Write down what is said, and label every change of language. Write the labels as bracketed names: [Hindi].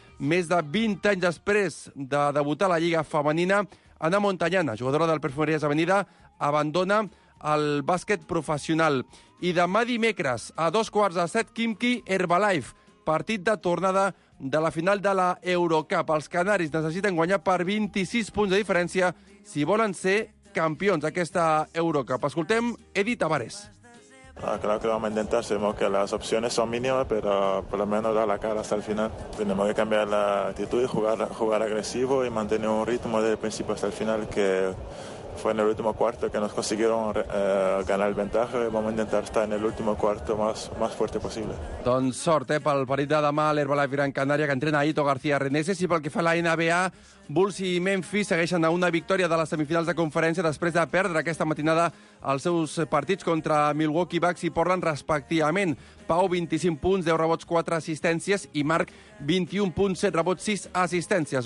[Catalan] Més de 20 anys després de debutar a la Lliga Femenina, Ana Montañana, jugadora del Perfumerías Avenida, abandona el bàsquet professional. I demà dimecres, a 6:45, Kimki Herbalife, partit de tornada de la final de la Eurocup. Els canaris necessiten guanyar per 26 punts de diferència si volen ser [Spanish] campeones de esta [Catalan] Eurocup. Escoltem Edith Tavares. [Spanish] Ah, claro que vamos a intentar, sabemos que las opciones son mínimas, pero por lo menos dar la cara hasta el final. Tenemos que cambiar la actitud y jugar agresivo y mantener un ritmo desde el principio hasta el final, que fue en el último cuarto que nos consiguieron ganar el ventaja. Vamos a intentar estar en el último cuarto más fuerte posible. [Catalan] Doncs sort, pel partit de demà, l'Herbalife Gran Canaria, que entrena Ito García Reneses, i pel que fa a la NBA, Bulls i Memphis segueixen a una victòria de les semifinals de conferència després de perdre aquesta matinada els seus partits contra Milwaukee Bucks i Portland, respectivament. Pau, 25 punts, 10 rebots, 4 assistències, i Marc, 21 punts, 7 rebots, 6 assistències.